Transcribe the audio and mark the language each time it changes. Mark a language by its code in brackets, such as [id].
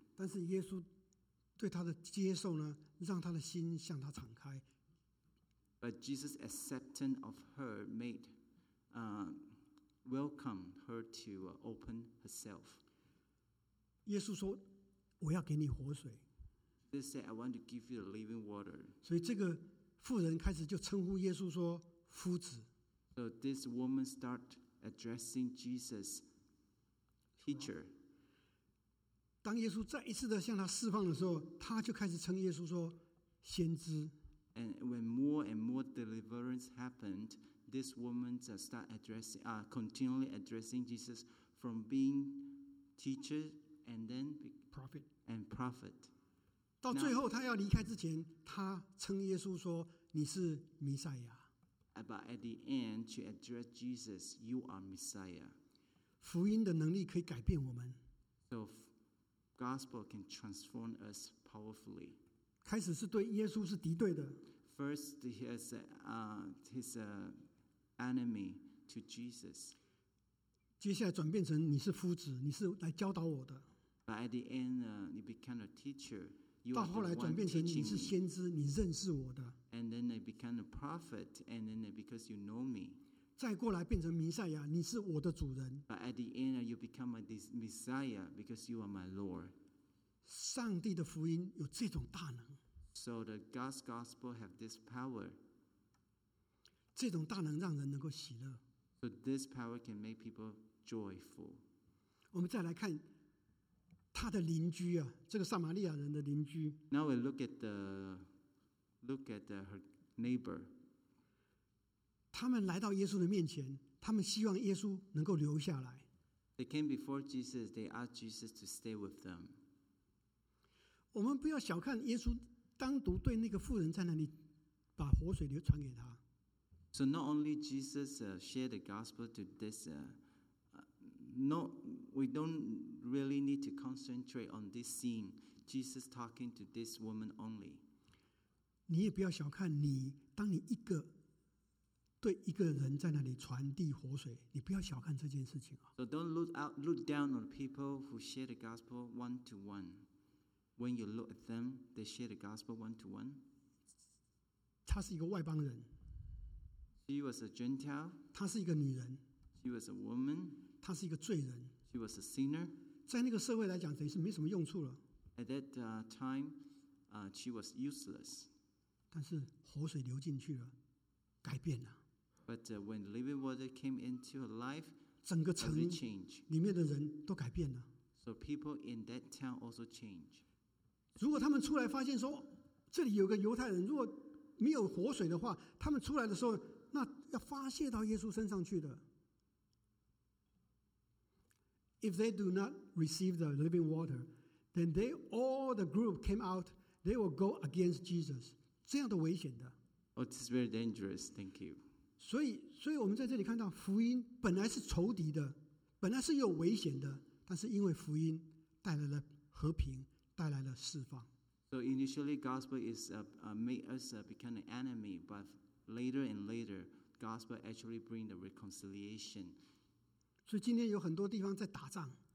[zh] 但是耶稣对她的接受呢，让她的心向她敞开。 [en] But Jesus' acceptance of her made welcome her to open herself. [zh] 耶稣说，我要给你活水。 [en] They said, "I want to give you the living water." [zh] 所以这个妇人开始就称呼耶稣说“夫子”。 [en] So this woman start addressing Jesus, teacher. [zh] 当耶稣再一次的向他释放的时候，他就开始称耶稣说“先知”。 [en] And when more and more deliverance happened, this woman start continually addressing Jesus from being teacher and then prophet and prophet. [zh] 到最后他要离开之前，他称耶稣说你是弥赛亚。 [en] But at the end, to address Jesus, you are Messiah. [zh] 福音的能力可以改变我们。 [en] So gospel can transform us powerfully. [zh] 开始是对耶稣是敌对的。 [en] First, he is enemy to Jesus. [zh] 接下来转变成你是夫子，你是来教导我的。 [en] But at the end, you become a teacher. [zh] 到后来转变成你是先知，你认识我的。 [en] And then I become a prophet, and then because you know me. [zh] 再过来变成弥赛亚，你是我的主人。 [en] But at the end, you become a Messiah because you are my Lord. [zh] 上帝的福音有这种大能。 [en] So the God's gospel have this power. [zh] 这种大能让人能够喜乐。 [en] So this power can make people joyful. [zh] 我们再来看。他的邻居啊，这个撒玛利亚人的邻居。 [en] Now we look at her neighbor. [zh] 他们来到耶稣的面前，他们希望耶稣能够留下来。 [en] They came before Jesus. They asked Jesus to stay with them. [zh] 我们不要小看耶稣单独对那个妇人在那里把活水流传给他。 [en] So not only Jesus shared the gospel to this not we don't really need to concentrate on this scene, Jesus talking to this woman only. [zh] 你也不要小看你，当你一个对一个人在那里传递活水，你不要小看这件事情啊。 [en] So don't look down on people who share the gospel one to one. When you look at them, they share the gospel one to one. [zh] 她是一个外邦人。 [en] She was a Gentile. [zh] 她是一个女人。 [en] She was a woman. [zh] 她是一个罪人。 [en] She was a sinner. [zh] 在那个社会来讲，等于是没什么用处了。 [en] At that time, she was useless. [zh] 但是活水流进去了，改变了。 [en] But when living water came into her life, [zh] 整个城里面的人都改变了。 [en] So people in that town also changed. [zh] 如果他们出来发现说，这里有个犹太人，如果没有活水的话，他们出来的时候，那要发泄到耶稣身上去的。 [en] If they do not receive the living water, then they all the group came out, they will go against Jesus. [zh] 这样的危险的。 [en] Oh, this is very dangerous. Thank you. [zh] 所以我们在这里看到福音本来是仇敌的，本来是有危险的，但是因为福音带来了和平，带来了释放。 [en] So initially, gospel is made us become an enemy, but later and later, gospel actually bring the reconciliation. [zh] 所以今天有很多地方在打仗。